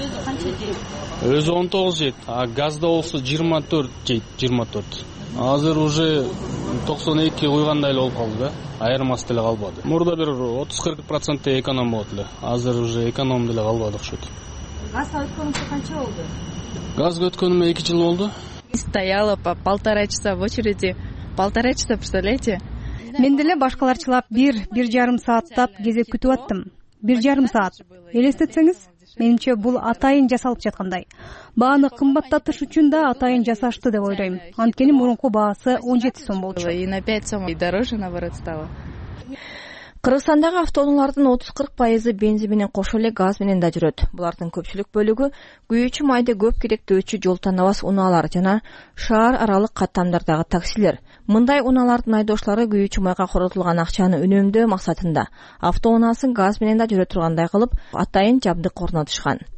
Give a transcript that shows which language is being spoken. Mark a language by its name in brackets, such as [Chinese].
[Kyrgyz] өзү канча жейт? Өзү 19 жейт, а газда болсо 24 жейт. Азыр уже 92 куйгандай эле болуп калды да, айырмасы деле калбады. Мурда бир 30-40% эконом болот эле, азыр уже эконом деле калбады окшойт. Газга өткөнүңүз канча болду? Газга өткөнүмө 2 жыл болду. [Russian] Стояла по 1.5 часа в очереди. 1.5 часа, представляете? [Kyrgyz] Мен деле башкаларчылап 1-1.5 сааттап кезек күтүп аттым. 1.5 саат. Элестетсеңиз, Менимче бул атайын жасалып жаткандай. Бааны кымбаттатыш үчүн да атайын жасашты деп ойлойм. Анткени мурунку баасы 17 сом болчу. [Russian] И на 5 сом и дороже наоборот стало. [Kyrgyz] Кыргызстандагы автоунаалардын 30-40% бензин менен кошо эле газ менен да жүрөт. Булардын көпчүлүк бөлүгү күйүүчү майды көп керектөөчү жол тандабас унаалар жана шаар аралык каттамдардагы таксилер. Мындай унаалардын айдоочулары күйүүчү майга коротулган акчаны үнөмдөө максатында автоунаасын газ менен да жүрө тургандай кылып атайын жабдык орнотушкан.